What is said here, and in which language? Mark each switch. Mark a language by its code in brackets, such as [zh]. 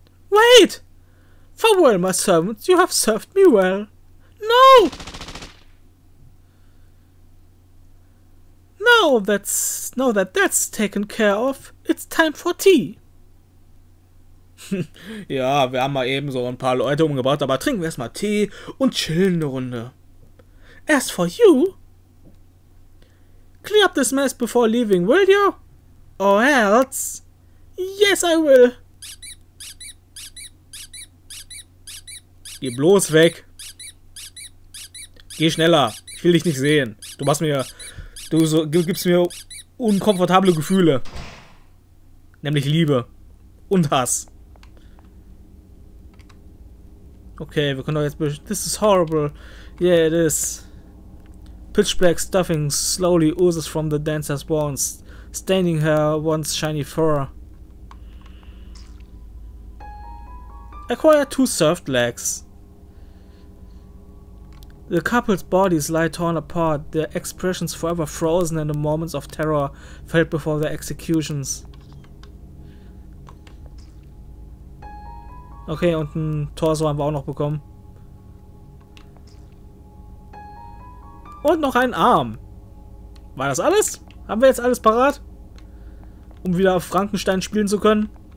[en] Wait. Farewell, my servants. You have served me well. No. Now that's taken care of, it's time for tea. [de] Ja, wir haben mal eben so ein paar Leute umgebracht, aber trinken wir erstmal Tee und chillen eine Runde. [en] As for you, clear up this mess before leaving, will you? Or else, yes I will. [de] Geh bloß weg. Geh schneller, ich will dich nicht sehen. Du gibst mir unkomfortable Gefühle. Nämlich Liebe und Hass. Okay, wir können doch jetzt... [en] This is horrible. Yeah, it is. Pitch black stuffing slowly oozes from the dancer's bones, staining her once shiny fur. Acquire 2 served legs. The couple's bodies lie torn apart, their expressions forever frozen in the moments of terror felt before their executions. [de] Okay, und ein Torso haben wir auch noch bekommen. Und noch einen Arm. War das alles? Haben wir jetzt alles parat? Um wieder auf Frankenstein spielen zu können?